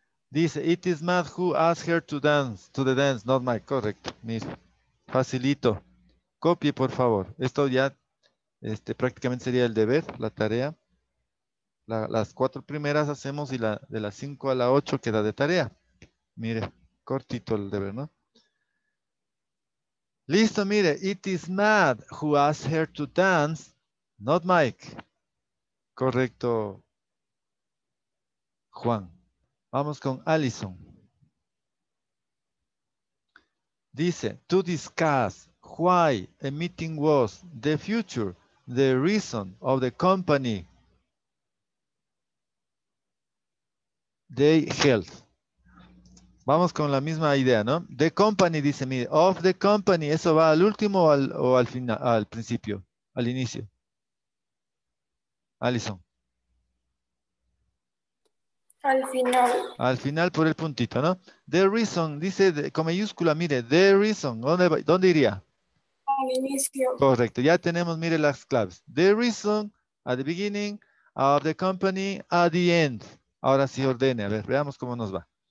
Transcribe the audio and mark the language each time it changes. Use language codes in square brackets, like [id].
[es] Dice, [en] it is Matt who asked her to dance, not Mike. [es] Correcto. Facilito. Copie, por favor. Esto ya prácticamente sería el deber, la tarea. Las cuatro primeras hacemos y de las 5 a la 8 queda de tarea. Mire, cortito el deber, ¿no? Listo, mire. [en] It is Matt who asked her to dance, not Mike. [es] Correcto, Juan. Vamos con Allison. Dice, [en] to discuss why a meeting was the future, the reason of the company they held. [es] Vamos con la misma idea, ¿no? [en] The company, [es] dice, mire, [en] of the company, [es] ¿eso va al último o al final, al principio, al inicio? Allison. Al final por el puntito, ¿no? [en] The reason, [es] dice con mayúscula, mire, [en] the reason, [es] ¿dónde iría? Al inicio. Correcto, ya tenemos, mire, las claves. [en] The reason, at the beginning, of the company, at the end. [es] Ahora sí ordene, a ver, veamos cómo nos va.